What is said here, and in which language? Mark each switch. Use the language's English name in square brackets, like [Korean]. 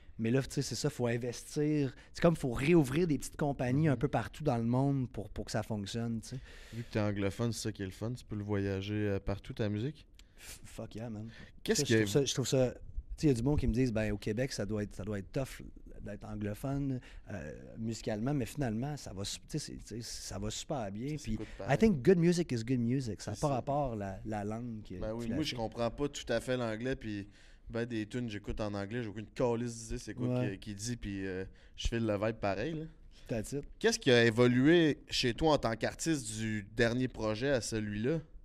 [French] Mais là, tu sais, c'est ça, faut investir. C'est comme faut réouvrir des petites compagnies un peu partout dans le monde pour que ça fonctionne. T'sais. Vu que tu es anglophone, c'est ça qui est le fun. Tu peux le voyager partout, ta musique? [English] Fuck yeah, man. [French] Qu'est-ce que... Je trouve ça... Tu sais, il y a du monde qui me disent, ben au Québec, ça doit être tough d'être anglophone musicalement, mais finalement, ça va, t'sais, ça va super bien. [English] Puis, I think good music is good music. [French] Ça n'a pas rapport à la langue. Ben oui, moi, je comprends pas tout à fait l'anglais. Puis, ben, des tunes, j'écoute en anglais. J'ai aucune calice, tu sais, c'est quoi qui dit. Puis, je file le vibe pareil. Là. [English] That's it. [French] Qu'est-ce qui a évolué chez toi en tant qu'artiste du dernier projet à celui-là?